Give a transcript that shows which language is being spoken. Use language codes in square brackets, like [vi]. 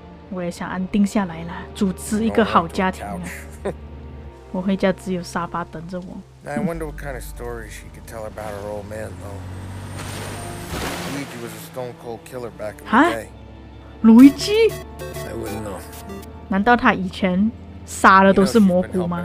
[zh] 我也想安定下来了，组织一个好家庭啊！我回家只有沙发等着我。 [en] I wonder what kind of story she could tell about her old man, though. Luigi was a stone cold killer back in the day. [zh] 哈？Luigi？ [en] I wouldn't know. [zh] 难道他以前杀的都是蘑菇吗